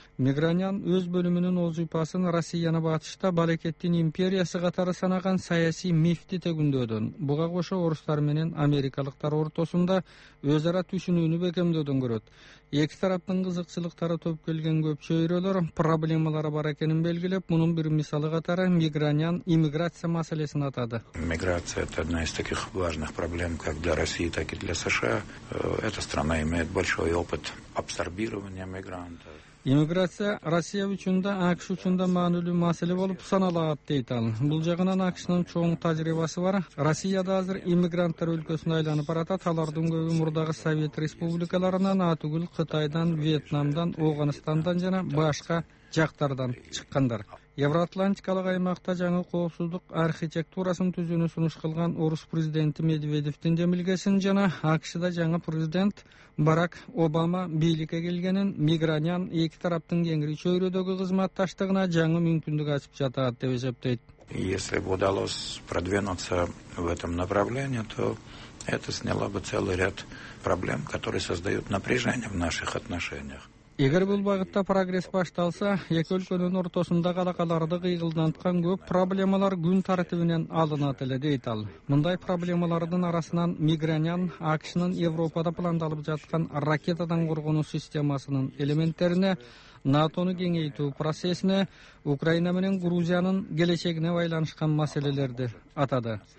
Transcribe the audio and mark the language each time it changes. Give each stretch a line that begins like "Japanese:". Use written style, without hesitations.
Kyrgyz: Мегранян өз бөлүмүнүн озуйпасын Россияны батышта Балекеттин империясы катары санаган саясий мифти тегүндөдөн, буга кошо орустар менен америкалыктар ортосунда өз ара түшүнүүнү бекемдөдөн көрөт. Эки тараптын кызыкчылыктары топ келген көп чөйрөлөр проблемалары бар экенин белгилеп, мунун бир мисалы катары Мегранян иммиграция маселесин атады.
Russian: Миграция — это одна из таких важных проблем как для России, так и для США. Эта страна имеет большой опыт абсорбирования мигрантов.
Kyrgyz: Иммиграция Россия үчүн да, АКШ үчүн да маанилүү маселе болуп саналат, дейт ал. Бул жагынан АКШнын чоң тажрыйбасы бар. Россияда азыр иммигранттар өлкөсүнө айланып баратат. Алардын көбү мурдагы Совет Республикаларынан, атүгүл Кытайдан, Вьетнамдан, Ооганстандан жана башка жактардан чыккандар. Евроатлантикалык аймакта жаңы коопсуздук архитектурасын түзүүнү сунуш кылган орус президенти Медведевдин демилгесин жана АКШда жаңы президент Барак Обама бийликке келгенин Мегранян эки тараптын кеңири чөйрөдөгү кызматташтыгына жаңы мүмкүндүк ачып жатат деп эсептейт.
Russian: Если бы удалось продвинуться в этом направлении, то это сняло бы целый ряд проблем, которые создают напряжение в наших отношениях.
Kyrgyz: Эгер бул багытта прогресс башталса, эки өлкөнүн ортосундагы алакаларды кыйгылдаткан көп проблемалар күн тартибинен алынат эле, дейт ал. Мындай проблемалардын арасынан Мегранян АКШнын Европада пландалып жаткан ракетадан коргонуу системасынын элементтерине, НАТОну кеңейтүү процессине, Украина менен Грузиянын келечегине байланышкан маселелерди атады.